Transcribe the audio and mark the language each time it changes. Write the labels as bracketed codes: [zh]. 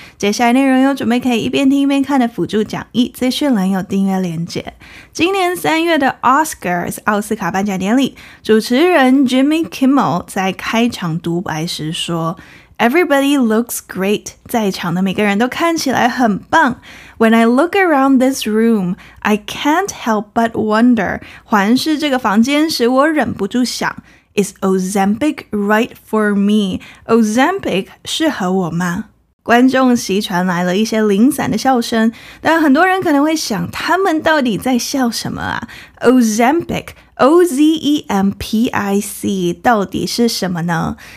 [zh] 接下来内容有准备可以一边听一边看的辅助讲义，资讯栏有订阅连结。今年三月的 Oscars 奥斯卡颁奖典礼，主持人 Jimmy Kimmel 在开场独白时说 ： [en] “Everybody looks great. [zh] 在场的每个人都看起来很棒。 [en] When I look around this room, I can't help but wonder. [zh] 环视这个房间时，我忍不住想。” [en] Is Ozempic right for me? Ozempic [zh] 适合我吗？观众席传来了一些零散的笑声，但很多人可能会想，他们到底在笑什么啊？ Ozempic, O-Z-E-M-P-I-C 到底是什么呢？